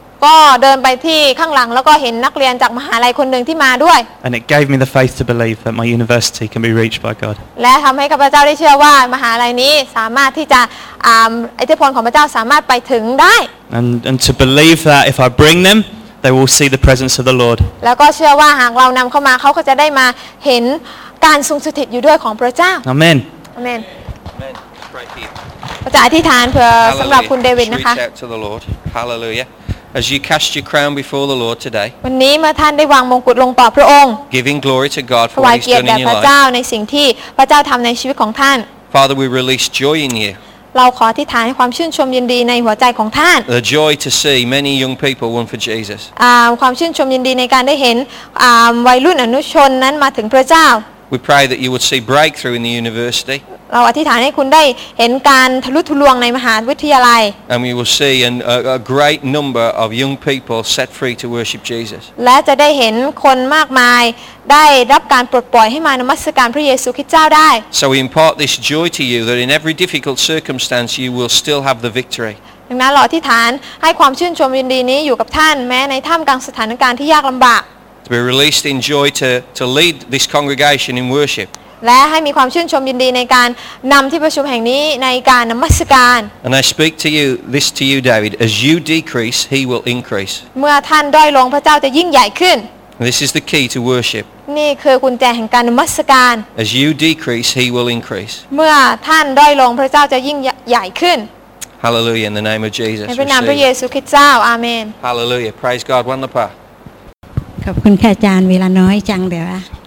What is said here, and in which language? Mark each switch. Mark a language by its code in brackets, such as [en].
[th] ก็เดินไปที่ข้างหลังแล้วก็เห็นนักเรียนจากมหาลัยคนหนึ่งที่มาด้วย [en] And it gave me the faith to believe that my university can be reached by God. [th] และทําให้ข้าพเจ้าได้เชื่อว่ามหาลัยนี้สามารถที่จะอิทธิพลของพระเจ้าสามารถไปถึงได้ [en] And to believe that if I bring them they will see the presence of the Lord. [th] แล้วก็เชื่อว่าหากเรานําเข้ามาเขาก็จะได้มาเห็นการทรงสถิตอยู่ด้วยของพระเจ้า [en] Amen. Amen. Amen. [th] พระเจ้าอธิษฐานเพื่อสําหรับคุณเดวิดนะคะ [en] Hallelujah. As you cast your crown before the Lord today, [th] วันนี้เมื่อท่านได้วางมงกุฎลงต่อพระองค์ [en] giving glory to God for what He's done in your life. [th] ถวายเกียรติแด่พระเจ้าในสิ่งที่พระเจ้าทำในชีวิตของท่าน [en] Father, we release joy in you. [th] เราขออธิษฐานให้ความชื่นชมยินดีในหัวใจของท่าน [en] The joy to see many young people won for Jesus. [th] ความชื่นชมยินดีในการได้เห็นวัยรุ่นอนุชนนั้นมาถึงพระเจ้า [en] We pray that you would see breakthrough in the university. [th] เราอธิษฐานให้คุณได้เห็นการทะลุทะลวงในมหาวิทยาลัย [en] And we will see a great number of young people set free to worship Jesus. [th] และจะได้เห็นคนมากมายได้รับการปลดปล่อยให้มานมัสการพระเยซูคริสต์เจ้าได้ [en] So we impart this joy to you that in every difficult circumstance you will still have the victory. [th] ดังนั้นเราอธิษฐานให้ความชื่นชมยินดีนี้อยู่กับท่านแม้ในท่ามกลางสถานการณ์ที่ยากลำบาก [en] To be released in joy to lead this congregation in worship. [th] และให้มีความชื่นชมยินดีในการนำที่ประชุมแห่งนี้ในการนมัสการ [en] And I speak to you this to you David as you decrease he will increase [th] เมื่อท่านด้อยลงพระเจ้าจะยิ่งใหญ่ขึ้น [en] This is the key to worship [th] นี่คือกุญแจแห่งการนมัสการ [en] As you decrease he will increase [th] เมื่อท่านด้อยลงพระเจ้าจะยิ่งใหญ่ขึ้น [en] Hallelujah in the name of Jesus [th] ในพระนามพระเยซูคริสต์เจ้าอาเมน [en] Hallelujah praise God one the pa [th] ขอบคุณค่ะอาจารย์เวลาน้อยจังเดี๋ยวอ่ะ